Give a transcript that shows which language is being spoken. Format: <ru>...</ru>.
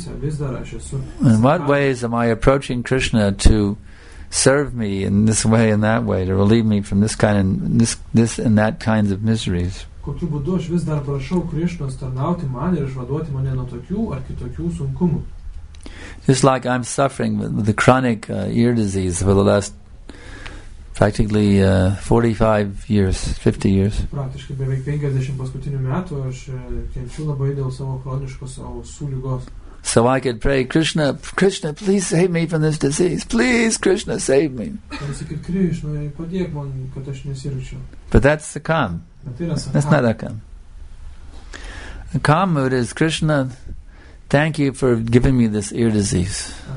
<en>In what ways am I approaching Krishna to serve me in this way and that way, to relieve me from this kind of this and that kinds of miseries.</en> <lt>Kokiu būdu aš vis dar prašau Krišnos tarnauti man ir išvaduoti mane nuo tokių ar kitokių sunkumų.</lt> <en>Just like I'm suffering with the chronic ear disease for the last practically 45 years, 50 years.</en> <lt>Praktiškai beveik 50 paskutinių metų aš kenčiu labai dėl savo chroniškos ausų lygos.</lt> <en>So I could pray, Krishna, Krishna, please save me from this disease. Please, Krishna, save me. But that's the Sakam. That's not Akam. The Akam mood is, Krishna, thank you for giving me this ear disease.</en>